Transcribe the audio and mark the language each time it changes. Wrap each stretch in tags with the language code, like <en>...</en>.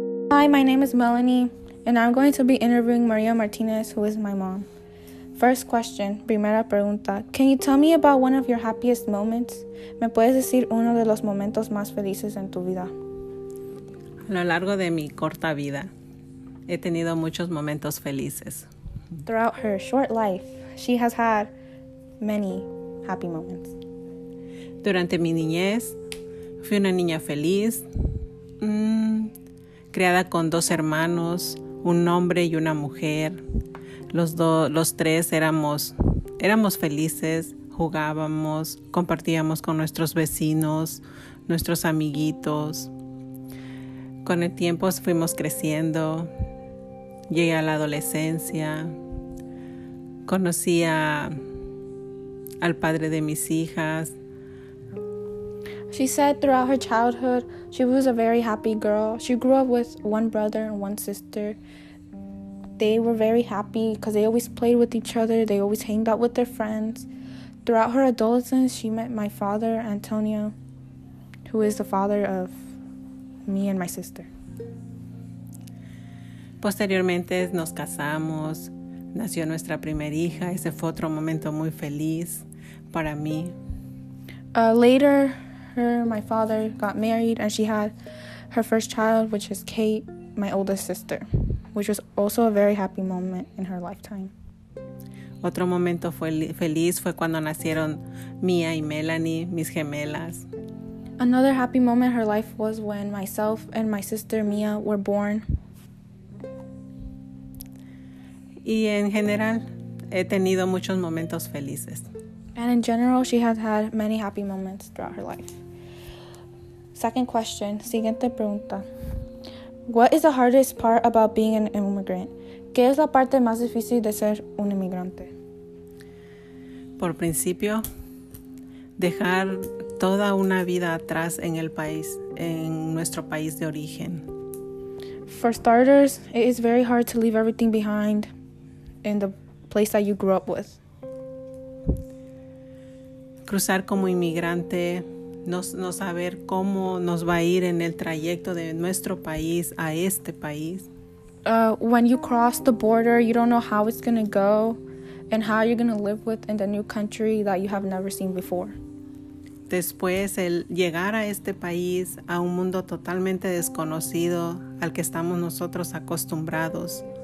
<en>Hi, my name is Melanie, and I'm going to be interviewing Maria Martinez, who is my mom. First question,</en> <es>primera pregunta.</es> <en>Can you tell me about one of your happiest moments?</en> <es>¿Me puedes decir uno de los momentos más felices en tu vida? A lo largo de mi corta vida, he tenido muchos momentos felices.</es> <en>Throughout her short life, she has had many happy moments.</en> <es>Durante mi niñez, fui una niña feliz. Creada con dos hermanos, un hombre y una mujer. Los tres éramos felices, jugábamos, compartíamos con nuestros vecinos, nuestros amiguitos. Con el tiempo fuimos creciendo, llegué a la adolescencia, conocí al padre de mis hijas.</es> <en>She said throughout her childhood, she was a very happy girl. She grew up with one brother and one sister. They were very happy because they always played with each other. They always hanged out with their friends. Throughout her adolescence, she met my father, Antonio, who is the father of me and my sister.</en> <es>Posteriormente, nos casamos. Nació nuestra primera hija. Ese fue otro momento muy feliz para mí.</es> <en>Later... my father got married and she had her first child, which is Kate, my oldest sister, which was also a very happy moment in her lifetime.</en> <es>Otro momento feliz fue cuando nacieron Mia y Melanie, mis gemelas.</es> <en>Another happy moment in her life was when myself and my sister Mia were born.</en> <es>Y en general, he tenido muchos momentos felices.</es> <en>And in general, she has had many happy moments throughout her life. Second question,</en> <es>siguiente pregunta.</es> <en>What is the hardest part about being an immigrant?</en> <es>¿Qué es la parte más difícil de ser un inmigrante? Por principio, dejar toda una vida atrás en el país, en nuestro país de origen.</es> <en>For starters, it is very hard to leave everything behind in the place that you grew up with.</en> <es>Cruzar como inmigrante. No saber cómo nos va a ir en el trayecto de nuestro país a este país.</es> <en>When you cross the border, you don't know how it's going to go and how you're going to live with in the new country that you have never seen before.</en> <es>Después, el llegar a este país, a un mundo totalmente desconocido al que estamos nosotros acostumbrados.</es>